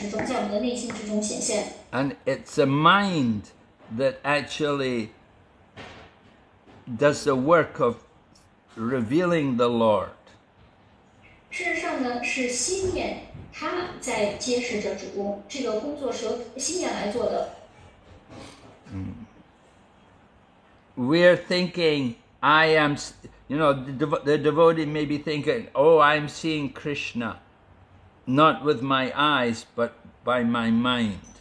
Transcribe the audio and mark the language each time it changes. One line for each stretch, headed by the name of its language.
English: And it's a mind that actually does the work of revealing the Lord.
Chinese: 事实上呢,是心念,它在揭示着主,这个工作是由心念来做的。
English: We're thinking, I am, you know, the devotee may be thinking, oh, I'm seeing Krishna, not with my eyes, but by my mind.